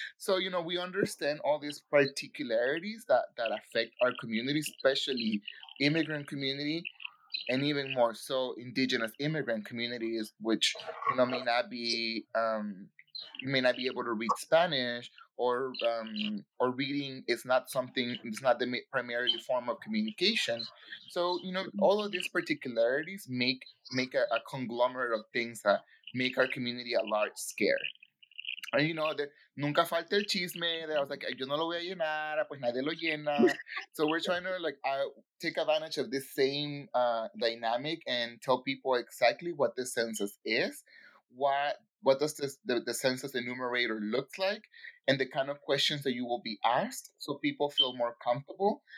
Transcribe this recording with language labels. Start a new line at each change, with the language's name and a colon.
English: So, we understand all these particularities that affect our community, especially immigrant community, and even more so indigenous immigrant communities, which may not be able to read Spanish or reading is not something, it's not the primary form of communication. So all of these particularities make a conglomerate of things that make our community a large scare.
Spanish: And nunca falta el chisme.
English: I was like,
Spanish: yo no lo voy a llenar, pues nadie lo llena.
English: So we're trying to take advantage of this same dynamic and tell people exactly what the census is, what does the census enumerator look like, and the kind of questions that you will be asked, so people feel more comfortable.